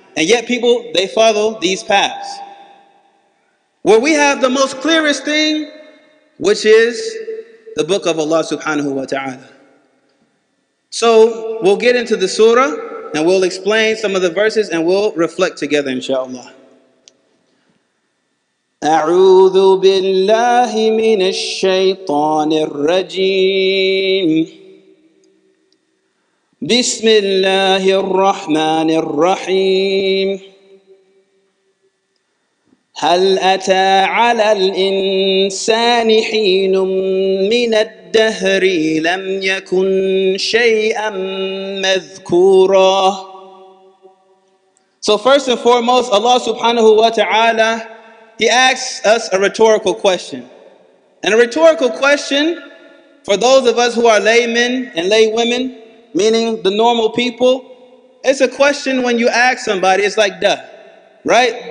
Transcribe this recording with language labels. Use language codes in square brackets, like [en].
[en] And yet people, they follow these paths. Where we have the most clearest thing, which is the book of Allah subhanahu wa ta'ala. So we'll get into the surah and we'll explain some of the verses and we'll reflect together inshallah. [ar] أعوذ بالله من الشيطان الرجيم بسم الله الرحمن الرحيم هل أتى على الإنسان حين من الدهر لم يكن شيئا مذكورا. [en] So first and foremost, Allah subhanahu wa ta'ala, He asks us a rhetorical question. And a rhetorical question, for those of us who are laymen and laywomen, meaning the normal people, it's a question when you ask somebody, it's like, duh, right?